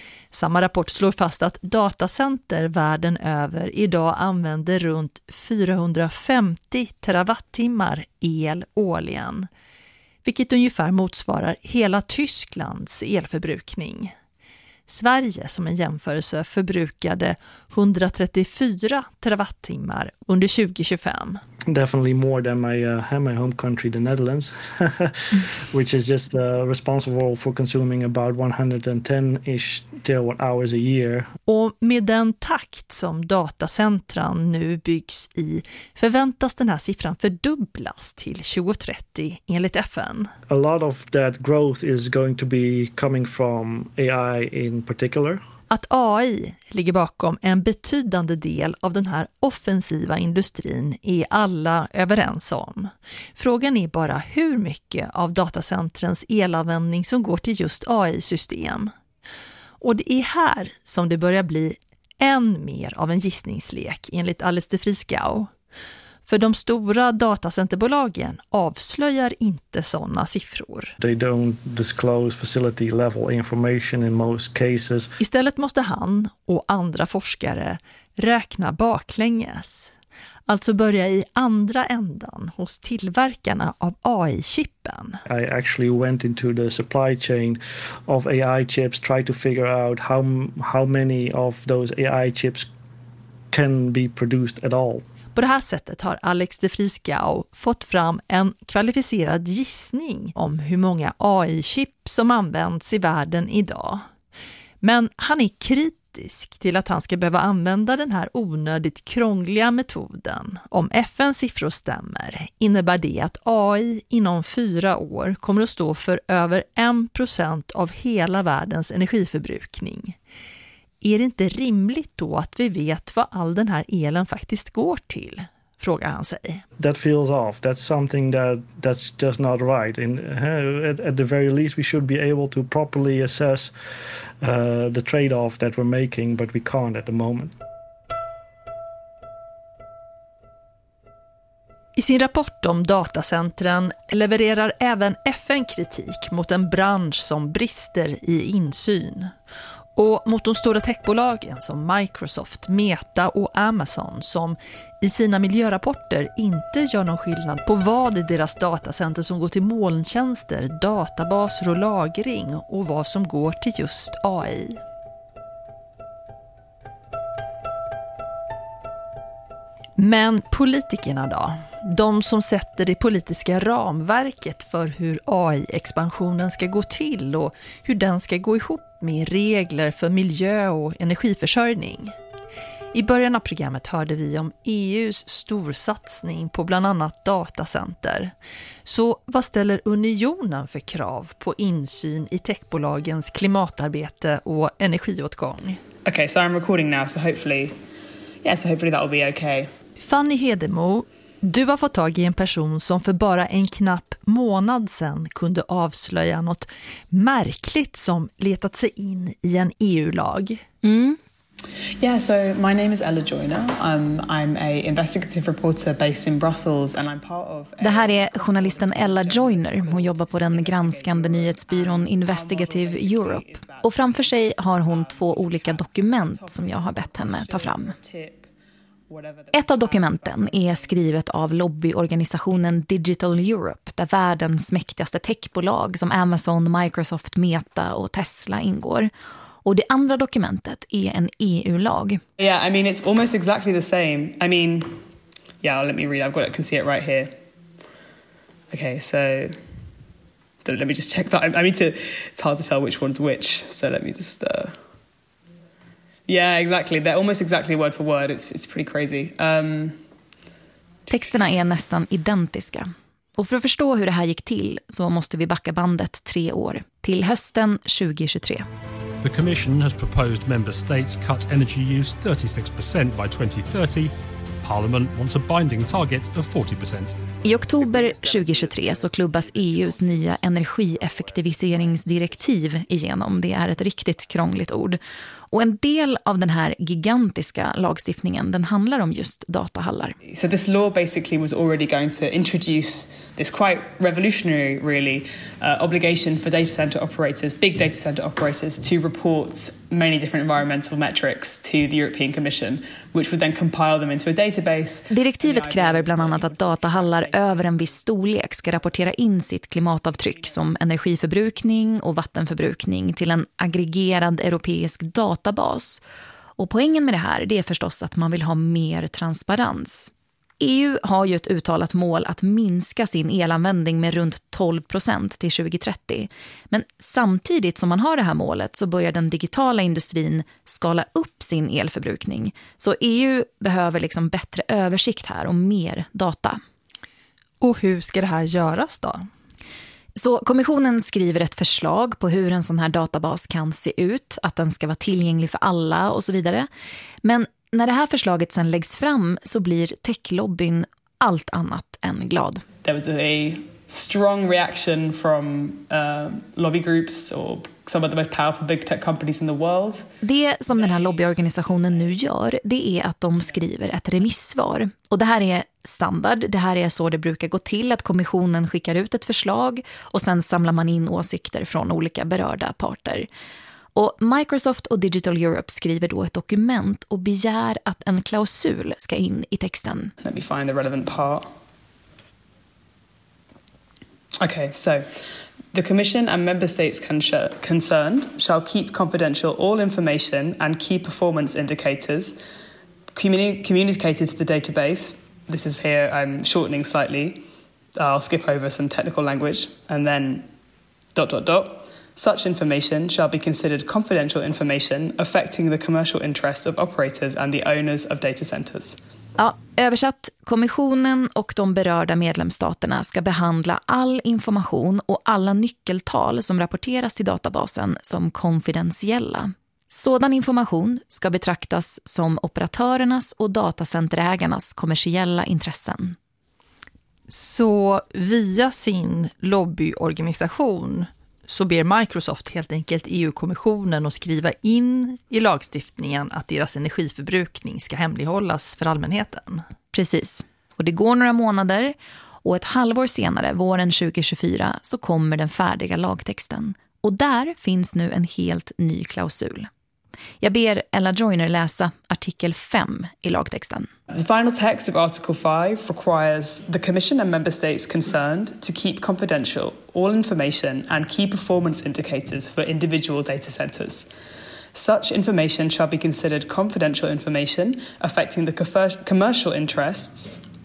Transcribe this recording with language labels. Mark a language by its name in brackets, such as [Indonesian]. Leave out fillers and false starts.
[Swedish] Samma rapport slår fast att datacenter världen över idag använder runt 450 terawattimmar el årligen, vilket ungefär motsvarar hela Tysklands elförbrukning. Sverige som en jämförelse förbrukade 134 terawattimmar under 2025. [English] Definitely more than my home country the Netherlands which is just responsible for consuming about 110-ish terawatt hours a year. [Swedish] Och med den takt som datacentran nu byggs i förväntas den här siffran fördubblas till 2030 enligt FN. [English] A lot of that growth is going to be coming from AI in particular. [Swedish] Att AI ligger bakom en betydande del av den här offensiva industrin är alla överens om. Frågan är bara hur mycket av datacentrens elanvändning som går till just AI-system. Och det är här som det börjar bli än mer av en gissningslek enligt Alice de Vries Gouw. För de stora datacenterbolagen avslöjar inte såna siffror. [English] They don't disclose facility level information in most cases. [Swedish] Istället måste han och andra forskare räkna baklänges. Alltså börja i andra ändan hos tillverkarna av AI-chippen. [English] I actually went into the supply chain of AI chips, try to figure out how many of those AI chips can be produced at all. [Swedish] På det här sättet har Alex de Vries Gouw fått fram en kvalificerad gissning om hur många AI-chip som används i världen idag. Men han är kritisk till att han ska behöva använda den här onödigt krångliga metoden. Om FNs siffror stämmer innebär det att AI inom 4 år kommer att stå för över 1% av hela världens energiförbrukning. Är det inte rimligt då att vi vet vad all den här elen faktiskt går till? frågar han sig. [English] That feels off. That's something that's just not right. And at the very least we should be able to properly assess the trade-off that we're making, but we can't at the moment. [Swedish] I sin rapport om datacentren levererar även FN kritik mot en bransch som brister i insyn och mot de stora techbolagen som Microsoft, Meta och Amazon som i sina miljörapporter inte gör någon skillnad på vad i deras datacenter som går till molntjänster, databaser och lagring och vad som går till just AI. Men politikerna då? De som sätter det politiska ramverket för hur AI-expansionen ska gå till och hur den ska gå ihop med regler för miljö och energiförsörjning. I början av programmet hörde vi om EUs storsatsning på bland annat datacenter. Så vad ställer unionen för krav på insyn i techbolagens klimatarbete och energiåtgång? [English] Okay, so I'm recording now, so hopefully that'll be okay. [Swedish] Fanny Hedemo, du har fått tag i en person som för bara en knapp månad sedan kunde avslöja något märkligt som letat sig in i en EU-lag. [English] Mm. Yeah, so my name is Ella Joyner. I'm a investigative reporter based in Brussels and I'm part of. [Swedish] Det här är journalisten Ella Joyner. Hon jobbar på den granskande nyhetsbyrån Investigative Europe. Och framför sig har hon två olika dokument som jag har bett henne ta fram. Ett av dokumenten är skrivet av lobbyorganisationen Digital Europe, där världens mäktigaste techbolag som Amazon, Microsoft, Meta och Tesla ingår. Och det andra dokumentet är en EU-lag. [English] Yeah, I mean it's almost exactly the same. I mean, yeah, let me read. I've got it. I can see it right here. Okay, so let me just check that. I mean, it's hard to tell which one's which. So let me just. Yeah, exactly. They're almost exactly word for word. It's pretty crazy. [Swedish] Texterna är nästan identiska. Och för att förstå hur det här gick till så måste vi backa bandet 3 år till hösten 2023. [English] The Commission has proposed member states cut energy use 36% by 2030. Parliament wants a binding target of 40%. [Swedish] I oktober 2023 så klubbas EU:s nya energieffektiviseringsdirektiv igenom. Det är ett riktigt krångligt ord. Och en del av den här gigantiska lagstiftningen, den handlar om just datahallar. [English] So this law basically was already going to introduce this quite revolutionary really obligation for data center operators, big data center operators to report many different environmental metrics to the European Commission, which would then compile them into a database. [Swedish] Direktivet kräver bland annat att datahallar över en viss storlek ska rapportera in sitt klimatavtryck som energiförbrukning och vattenförbrukning till en aggregerad europeisk databas. Och poängen med det här det är förstås att man vill ha mer transparens. EU har ju ett uttalat mål att minska sin elanvändning med runt 12% till 2030. Men samtidigt som man har det här målet så börjar den digitala industrin skala upp sin elförbrukning. Så EU behöver liksom bättre översikt här och mer data. Och hur ska det här göras då? Så kommissionen skriver ett förslag på hur en sån här databas kan se ut, att den ska vara tillgänglig för alla och så vidare. Men när det här förslaget sen läggs fram så blir techlobbyn allt annat än glad. [English] There was a strong reaction from lobby groups or some of the most powerful big tech companies in the world. [Swedish] Det som den här lobbyorganisationen nu gör, det är att de skriver ett remissvar. Och det här är standard. Det här är så det brukar gå till, att kommissionen skickar ut ett förslag och sen samlar man in åsikter från olika berörda parter. Och Microsoft och Digital Europe skriver då ett dokument och begär att en klausul ska in i texten. [English] Let me find the relevant part. Okay, so the Commission and member states concerned shall keep confidential all information and key performance indicators communicated to the database. This is here, I'm shortening slightly. I'll skip over some technical language and then dot dot dot. Such information shall be considered confidential information affecting the commercial interests of operators and the owners of data centers. [Swedish] Ja, översatt, kommissionen och de berörda medlemsstaterna ska behandla all information och alla nyckeltal som rapporteras till databasen som konfidentiella. Sådan information ska betraktas som operatörernas och datacenterägarnas kommersiella intressen. Så via sin lobbyorganisation så ber Microsoft helt enkelt EU-kommissionen att skriva in i lagstiftningen att deras energiförbrukning ska hemlighållas för allmänheten. Precis. Och det går några månader och ett halvår senare, våren 2024, så kommer den färdiga lagtexten. Och där finns nu en helt ny klausul. Jag ber Ella Joyner läsa artikel 5 i lagtexten. [English] The final text of Article 5 requires the Commission and Member States concerned to keep confidential all information and key performance indicators for individual data centers. Such information shall be considered confidential information affecting the commercial interests.